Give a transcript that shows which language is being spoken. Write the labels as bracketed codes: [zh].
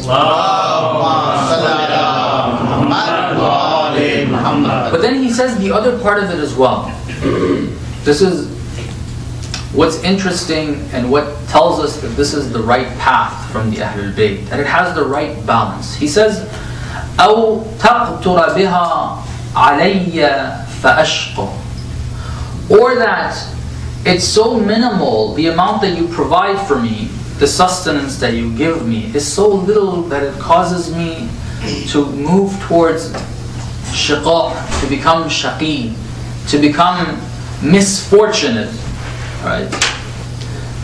[en] Allahumma salli ala Muhammad. But then He says the other part of it as well. This is what's interesting and what tells us that this is the right path from the Ahlul Bayt, that it has the right balance. He says, [ar] أَوْ تَقْتُرَ بِهَا عَلَيَّ فَأَشْقُ. [en] Or that it's so minimal, the amount that you provide for me, the sustenance that you give me, is so little that it causes me to move towards شِقَاء, to become شَقِي, to become misfortunate. Right.